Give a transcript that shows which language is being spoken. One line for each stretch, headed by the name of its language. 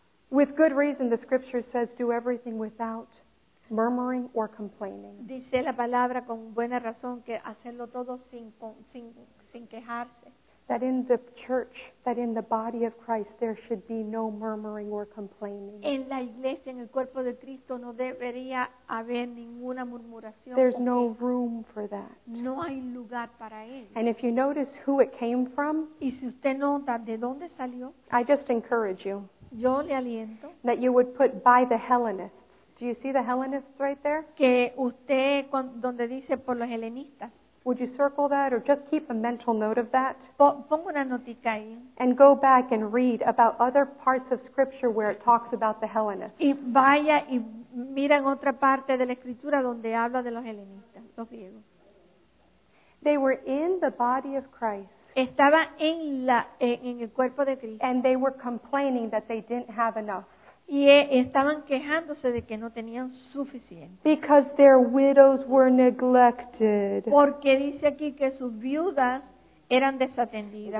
English: With good reason, the scripture says, do everything without murmuring or complaining.
Spanish: Dice la palabra con buena razón que hacerlo todo sin quejarse.
English: That in the church, that in the body of Christ, there should be no murmuring or complaining.
Spanish: En la iglesia, en el cuerpo de Cristo, no debería haber ninguna murmuración.
English: There's no room for that.
Spanish: No hay lugar para él.
English: And if you notice who it came from,
Spanish: y si usted nota de dónde salió,
English: I just encourage you.
Spanish: Yo le aliento.
English: That you would put by the Hellenists. Do you see the Hellenists right there?
Spanish: Que usted donde dice por los helenistas.
English: Would you circle that or just keep a mental note of that?
Spanish: Pongo una notica ahí.
English: And go back and read about other parts of Scripture where it talks about the Hellenists.
Spanish: Y vaya y mira en otra parte de la Escritura donde habla de los helenistas, los griegos.
English: They were in the body of Christ.
Spanish: Estaba en el cuerpo de Cristo.
English: And they were complaining that they didn't have enough.
Spanish: Y estaban quejándose de que no tenían suficiente.
English: Because their widows were neglected.
Spanish: Porque dice aquí que sus viudas eran desatendidas.